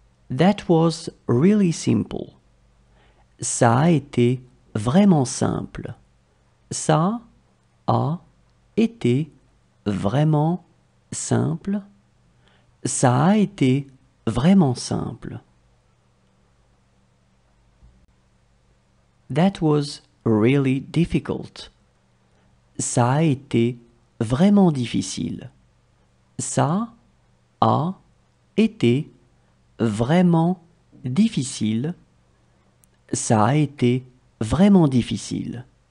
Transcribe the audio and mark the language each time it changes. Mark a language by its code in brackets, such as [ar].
[en] That was really simple. [fr] Ça a été vraiment simple. Ça a été vraiment simple. Ça a été vraiment simple. [en] That was really difficult. [fr] Ça a été vraiment difficile. Ça a été vraiment difficile. Ça a été vraiment difficile.